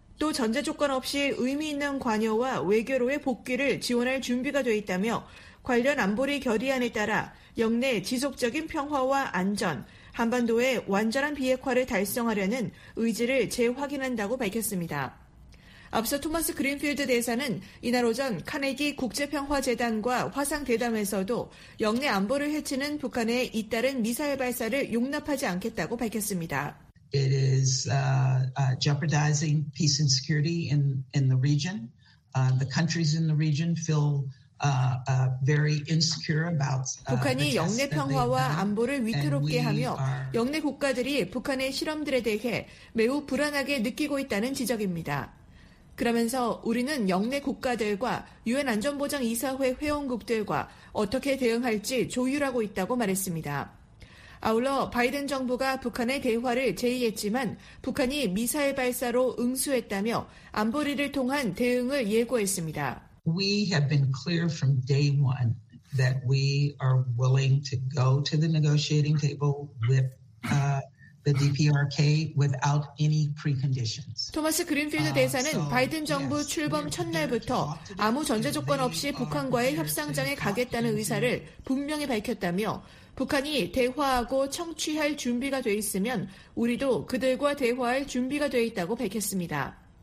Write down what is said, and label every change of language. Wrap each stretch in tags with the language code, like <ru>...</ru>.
<ko>또 전제 조건 없이 의미 있는 관여와 외교로의 복귀를 지원할 준비가 되어 있다며 관련 안보리 결의안에 따라 역내 지속적인 평화와 안전, 한반도의 완전한 비핵화를 달성하려는 의지를 재확인한다고 밝혔습니다. 앞서 토마스 그린필드 대사는 이날 오전 카네기 국제평화재단과 화상대담에서도 역내 안보를 해치는 북한의 잇따른 미사일 발사를 용납하지 않겠다고 밝혔습니다.</ko> <en>It is jeopardizing peace and security in the region. The countries in the region feel very insecure about</en> <ko>북한이 역내 평화와 안보를 위태롭게 하며 역내 국가들이 북한의 실험들에 대해 매우 불안하게 느끼고 있다는 지적입니다. 그러면서 우리는 역내 국가들과 유엔 안전보장 이사회 회원국들과 어떻게 대응할지 조율하고 있다고 말했습니다. 아울러 바이든 정부가 북한의 대화를 제의했지만 북한이 미사일 발사로 응수했다며 안보리를 통한 대응을 예고했습니다.</ko> <en>We have been clear from day one that we are willing to go to the negotiating table with the DPRK without any preconditions.</en> <ko>토마스 그린필드 대사는 바이든 정부 출범 첫날부터 아무 전제 조건 없이 북한과의 협상장에 가겠다는 의사를 분명히 밝혔다며 북한이 대화하고 청취할 준비가 돼 있으면 우리도 그들과 대화할 준비가 돼 있다고 밝혔습니다.</ko>